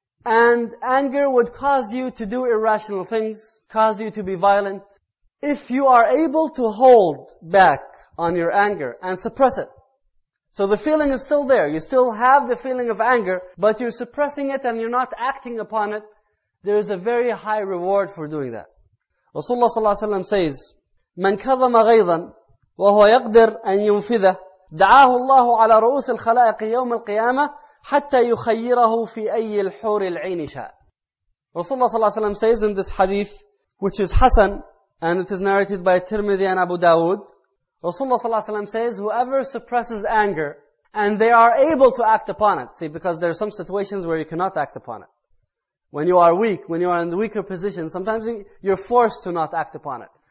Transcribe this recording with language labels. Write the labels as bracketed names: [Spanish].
[English] And anger would cause you to do irrational things, cause you to be violent. If you are able to hold back on your anger and suppress it, so the feeling is still there, you still have the feeling of anger, but you're suppressing it and you're not acting upon it, there is a very high reward for doing that. Rasulullah sallallahu alayhi wa sallam says, [Arabic] مَنْ كَظَمَ غَيْظًا وَهُوَ يَقْدِرْ أَنْ يُنْفِذَهُ دَعَاهُ اللَّهُ عَلَى رُؤُوسِ الْخَلَائِقِ يَوْمَ الْقِيَامَةِ حَتَّى يُخَيِّرَهُ فِي أَيِّ الْحُورِ الْعِينِ شَاءَ. [English] Rasulullah sallallahu alayhi wa sallam says in this hadith, which is Hasan, and it is narrated by Tirmidhi and Abu Dawood, Rasulullah sallallahu alayhi wa sallam says, whoever suppresses anger and they are able to act upon it. See, because there are some situations where you cannot act upon it. When you are weak, when you are in the weaker position, sometimes you're forced to not act upon it.